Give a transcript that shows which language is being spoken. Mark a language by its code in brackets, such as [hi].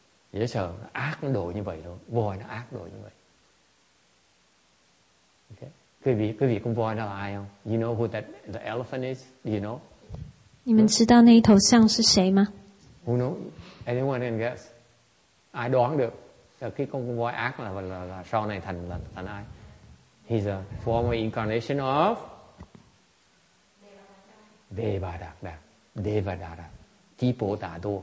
[zh] 也想 [vi] ác độ như vậy thôi voi nó ác độ như vậy okay. quý vị con voi đó là ai không [en] you know who that the elephant is do you know [zh] 你们知道那一头象是谁吗 [en] who knows anyone can guess [vi] ai đoán được cái con voi ác là sau này thành ai [en] he's a former incarnation of Devadatta Devadatta Thipotato